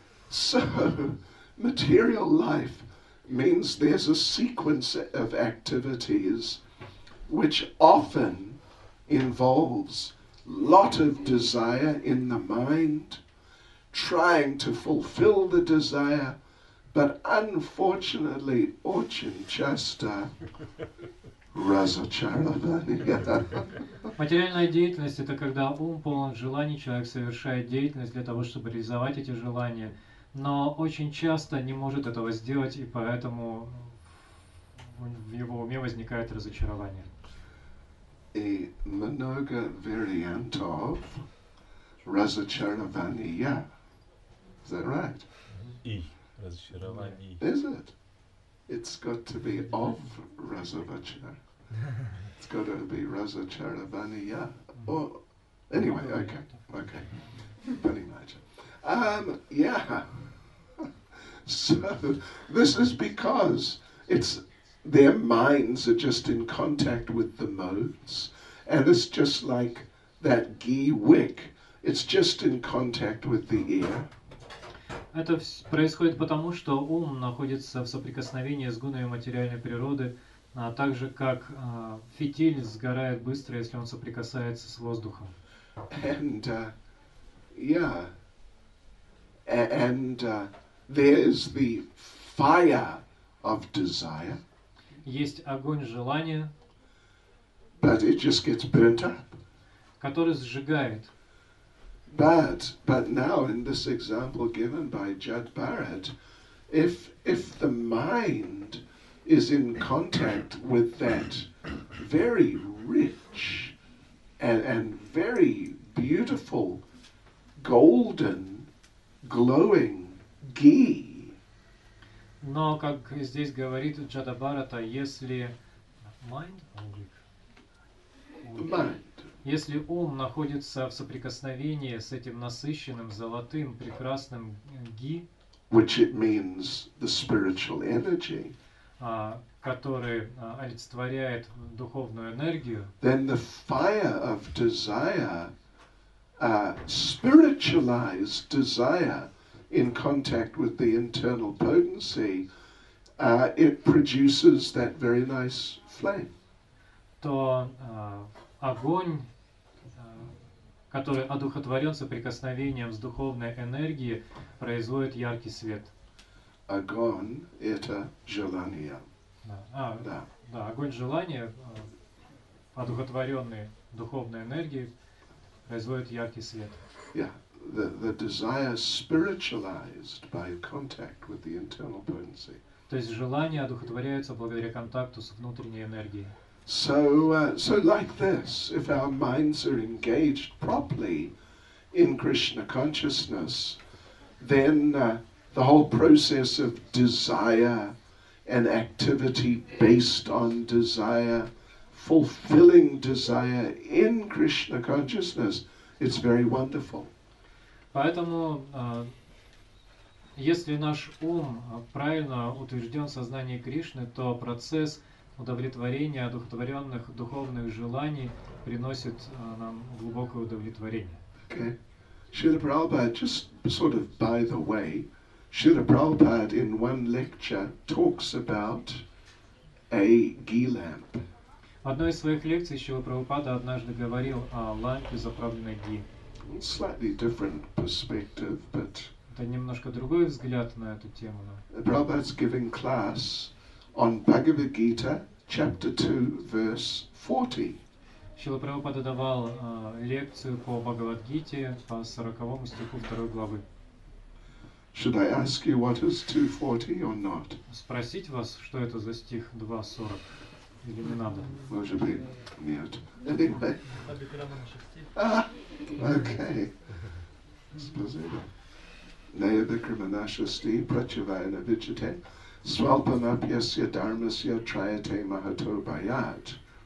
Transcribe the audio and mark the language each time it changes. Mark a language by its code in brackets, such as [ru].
[en] So, material life means there's a sequence of activities which often involves lot of desire in the mind, trying to fulfill the desire, but unfortunately, [ru] очень часто, разочарование. Материальная деятельность — это когда ум полон желаний, человек совершает деятельность для того, чтобы реализовать эти желания, но очень часто не может этого сделать, и поэтому в его уме возникает разочарование. И много вариантов разочарования. [en] Is that right? [ru] И разочарование. [en] Is it? It's got to be of разочарование. It's got to be разочарования. Or anyway, okay. Funny matter. Yeah. So this is because it's their minds are just in contact with the modes, and it's just like that ghee wick. It's just in contact with the air. [ru] Это происходит потому, что ум находится в соприкосновении с гунами материальной природы, а также как фитиль сгорает быстро, если он соприкасается с воздухом. [en] And yeah, and there's the fire of desire. [ru] Есть огонь желания. [en] But it just gets burnt up. [ru] Который сжигает. [en] But now in this example given by Judd Barrett, if the mind is in contact with that very rich and very beautiful golden glowing ghee. [ru] Но как здесь говорит Джада Барата, если mind, если ум находится в соприкосновении с этим насыщенным золотым прекрасным ghee, [en] which it means the spiritual energy, [ru] который олицетворяет духовную энергию, [en] then the fire of desire, spiritualized desire, in contact with the internal potency, it produces that very nice flame. [ru] То огонь, который одухотворен соприкосновением с духовной энергией, производит яркий свет. Огонь — это желание. Да, огонь желания, одухотворенный духовной энергией, производит яркий свет. [en] Yeah. The desire spiritualized by contact with the internal potency. [ru] То есть желания одухотворяются благодаря контакту с внутренней энергией. [en] So like this, if our minds are engaged properly in Krishna consciousness, then the whole process of desire and activity based on desire, fulfilling desire in Krishna consciousness, it's very wonderful. [ru] Поэтому, если наш ум правильно утвержден в сознании Кришны, то процесс удовлетворения одухотворенных духовных желаний приносит нам глубокое удовлетворение. [en] Okay. Srila Prabhupada, just sort of by the way, Srila Prabhupada in one lecture talks about a ghee lamp. [ru] Одной из своих лекций Шрила Прабхупада однажды говорил о лампе, заправленной ги. [en] Slightly different perspective, but [ru] это немножко другой взгляд на эту тему. [en] Prabhupada's giving class on Bhagavad Gita, chapter 2, verse 40. [ru] Шрила Прабхупада давал лекцию по Бхагавад-гите по 40 стиху 2 главы. [en] Should I ask you what is 240 or not? [ru] Спросить вас, что это за стих 240? Или не надо? Может быть, нет. Окей. Спасибо. [sa] Нея Шасти, Прачивайна Вичате, Свалпамапьясья Дармасья Траяте Махато Байят.